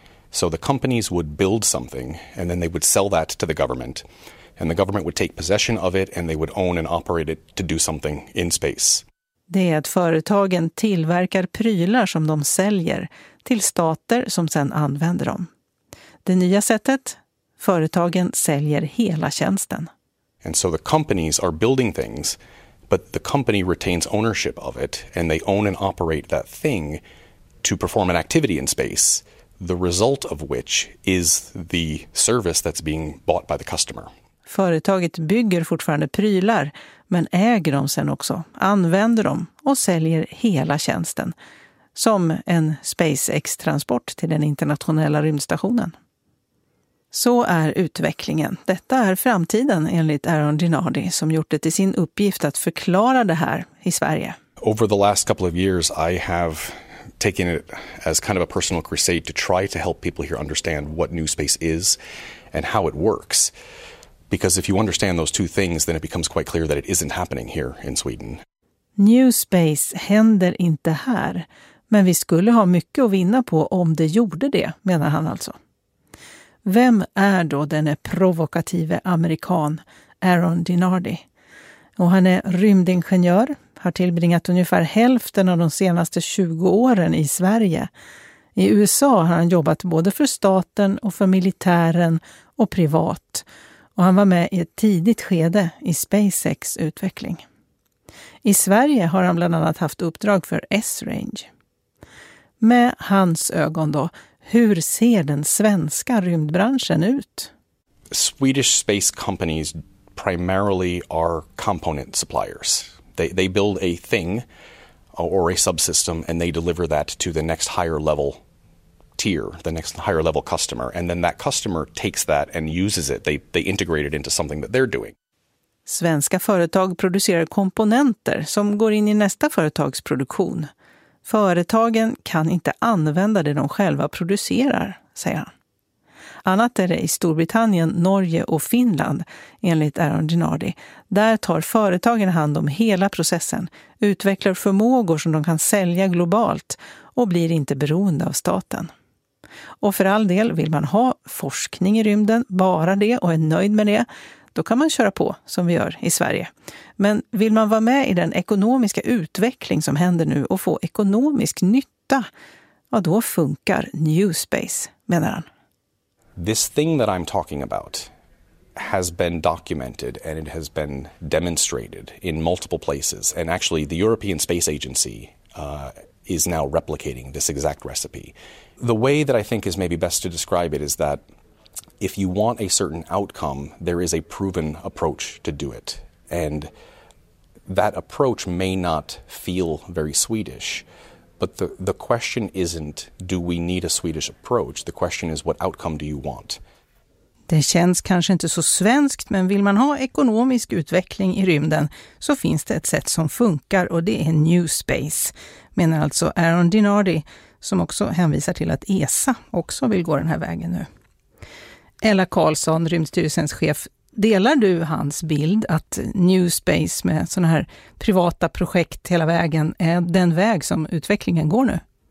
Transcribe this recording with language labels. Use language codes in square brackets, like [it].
[en] So the companies would build something and then they would sell that to the government. And the government would take possession of it and they would own and operate it to do something in space. [sv] Det är att företagen tillverkar prylar som de säljer till stater som sedan använder dem. Det nya sättet, företagen säljer hela tjänsten. [en] And so the companies are building things, but the company retains ownership of it and they own and operate that thing to perform an activity in space, the result of which is the service that's being bought by the customer. [sv] Företaget bygger fortfarande prylar, men äger dem sen också, använder dem och säljer hela tjänsten. Som en SpaceX-transport till den internationella rymdstationen. Så är utvecklingen. Detta är framtiden enligt Aaron Dinardi, som gjort det till sin uppgift att förklara det här i Sverige. [en] Over the last couple of years I have taken it as kind of a personal crusade to try to help people here understand what New Space is and how it works. Because if you understand those two things, then it becomes quite clear that it isn't happening here in Sweden. [sv] New Space händer inte här, men vi skulle ha mycket att vinna på om det gjorde det, menar han alltså. Vem är då den provokative amerikan Aaron Dinardi? Och han är rymdingenjör, har tillbringat ungefär hälften av de senaste 20 åren i Sverige. I USA har han jobbat både för staten och för militären och privat. Och han var med i ett tidigt skede i SpaceX-utveckling. I Sverige har han bland annat haft uppdrag för S-Range. Med hans ögon då, hur ser den svenska rymdbranschen ut? [en] Swedish space companies primarily are component suppliers. They build a thing or a subsystem and they deliver that to the next higher level tier, the next higher level customer, and then that customer takes that and uses it. They integrate it into something that they're doing. [sv] Svenska företag producerar komponenter som går in i nästa företags produktion. Företagen kan inte använda det de själva producerar, säger han. Annat är det i Storbritannien, Norge och Finland, enligt Aaron Dinardi. Där tar företagen hand om hela processen, utvecklar förmågor som de kan sälja globalt och blir inte beroende av staten. Och för all del, vill man ha forskning i rymden, bara det, och är nöjd med det, då kan man köra på som vi gör i Sverige. Men vill man vara med i den ekonomiska utveckling som händer nu och få ekonomisk nytta, ja, då funkar New Space, menar han. [en] This thing that I'm talking about has been documented and it has been demonstrated in multiple places. And actually the European Space Agency is now replicating this exact recipe. The way that I think is maybe best to describe it is that if you want a certain outcome, there is a proven approach to do it. And that approach may not feel very Swedish, but the question isn't, do we need a Swedish approach? The question is, what outcome do you want? [sv] Det känns kanske inte så svenskt, men vill man ha ekonomisk utveckling i rymden så finns det ett sätt som funkar, och det är New Space, menar alltså Aaron Dinardi, som också hänvisar till att ESA också vill gå den här vägen nu. Ella Karlsson, Rymdstyrelsens chef, delar du hans bild att New Space med sådana här privata projekt hela vägen är den väg som utvecklingen går nu?